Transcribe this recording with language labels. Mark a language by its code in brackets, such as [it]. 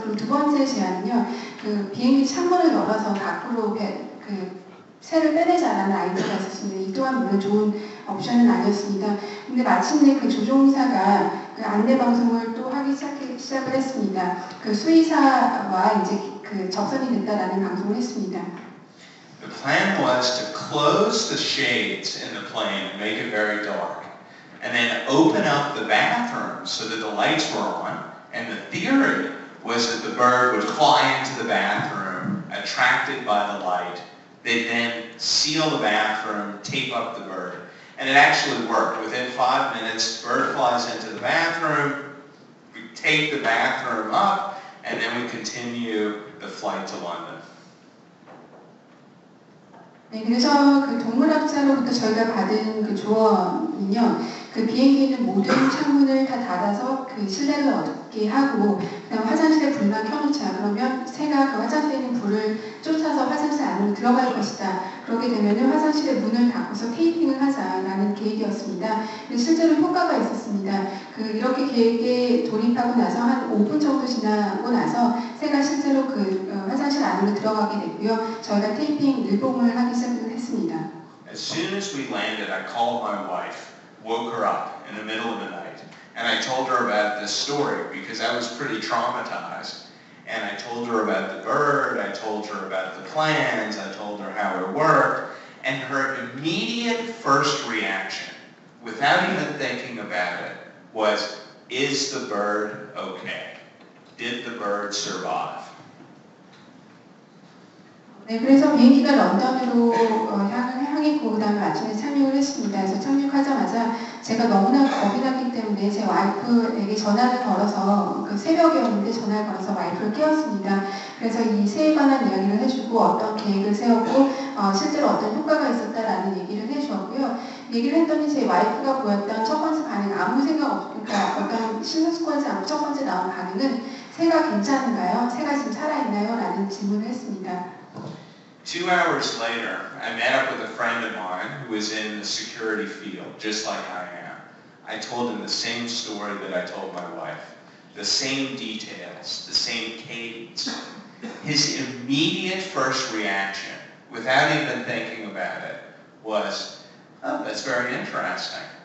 [ko] 그리고 두 번째 제안은요. 그 비행기 창문을 열어서 밖으로 그 새를 빼내자라는 아이디어가 있었습니다. 이 또한 물론 좋은 옵션은 아니었습니다. 근데 마침내 그 조종사가 그 안내 방송을 또 하기 시작을 했습니다. 그 수의사와 이제 그 접선이 됐다라는 방송을 했습니다. [en] The plan was to close the shades in the plane, make it very dark, and then open up the bathroom so that the lights were on. And the theory was that the bird would fly into the bathroom, attracted by the light. They'd then seal the bathroom, tape up the bird. And it actually worked. Within 5 minutes, the bird flies into the bathroom, we tape the bathroom up, and then we continue the flight to London. [ko] 네, 그래서 그 동물학자로부터 저희가 받은 그 조언은요, 그 비행기는 모든 창문을 다 닫아서 그 실내를 어둡게 하고, 그 다음 화장실에 불만 켜놓자. 그러면 새가 그 화장실에 있는 불을 쫓아서 화장실 안으로 들어갈 것이다. 그러게 되면은 화장실에 문을 닫고서 테이핑을 하자라는 계획이었습니다. 실제로 효과가 있었습니다. 그 이렇게 계획에 돌입하고 나서 한 5분 정도 지나고 나서 새가 실제로 그 화장실 안으로 들어가게 됐고요. 저희가 테이핑 일봉을 하기 시작했습니다. [en] As soon as we landed, I called my wife, woke her up in the middle of the night, and I told her about this story because I was pretty traumatized. And I told her about the bird, I told her about the plans, I told her how it worked, and her immediate first reaction, without even thinking about it, was, is the bird okay? Did the bird survive? [ko] 네, 그래서 비행기가 런던으로 향했고 그 다음에 아침에 착륙을 했습니다. 그래서 착륙하자마자 제가 너무나 겁이 났기 때문에 제 와이프에게 전화를 걸어서 그 새벽이었는데 전화를 걸어서 와이프를 깨웠습니다. 그래서 이 새에 관한 이야기를 해주고 어떤 계획을 세웠고 실제로 어떤 효과가 있었다라는 얘기를 해주었고요. 얘기를 했더니 제 와이프가 보였던 첫 번째 반응 아무 생각 없으니까 어떤 신속하지 않고 첫 번째 나온 반응은 새가 괜찮은가요? 새가 지금 살아있나요? 라는 질문을 했습니다. [en] 2 hours later, I met up with a friend of mine who was in the security field, just like I am. I told him the same story that I told my wife, the same details, the same cadence. His immediate first reaction, without even thinking about it, was, oh, that's very interesting.